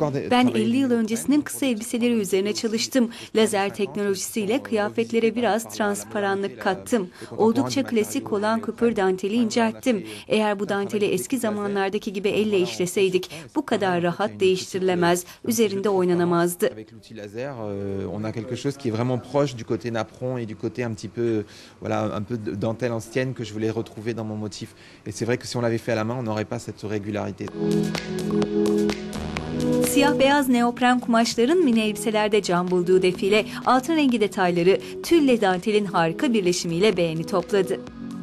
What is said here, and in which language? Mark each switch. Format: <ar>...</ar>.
<tr>Ben 50 yıl öncesinin kısa elbiseleri üzerine çalıştım. Lazer teknolojisiyle kıyafetlere biraz transparanlık kattım. Oldukça klasik olan küpür danteli incelttim. Eğer bu danteli eski zamanlardaki gibi elle işleseydik, bu kadar rahat değiştirilemez, üzerinde oynanamazdı.</tr> <fr>On a quelque chose qui est vraiment proche du côté napron et du côté un peu dentelle ancienne que je voulais retrouver dans mon motif. Et c'est vrai que si on l'avait fait à la main, on n'aurait pas cette régularité.</fr> <tr>Siyah-beyaz neopren kumaşların mini elbiselerde can bulduğu defile, altın rengi detayları, tülle dantelin harika birleşimiyle beğeni topladı.</tr>